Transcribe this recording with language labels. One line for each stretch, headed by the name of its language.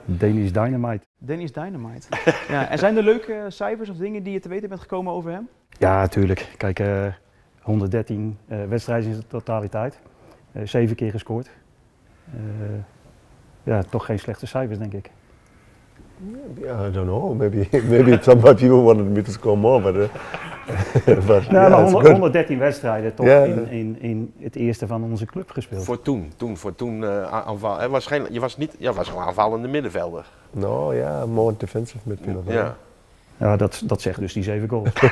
Dutch: Dennis Dynamite. Ja, en zijn er leuke cijfers of dingen die je te weten bent gekomen over hem? Ja, tuurlijk. Kijk, 113 wedstrijden in de totaliteit. 7 keer gescoord. Ja, toch geen slechte cijfers, denk ik.
English: Yeah, I don't know. Maybe some of my people wanted me to score more, but.
Dutch: maar 113 wedstrijden toch in het eerste van onze club gespeeld. Voor toen aanval. Je was gewoon aanvallende middenvelder.
English: No, ja, yeah, more defensive midfielder. Yeah. Yeah.
Dutch: Ja, dat zegt dus die 7 goals.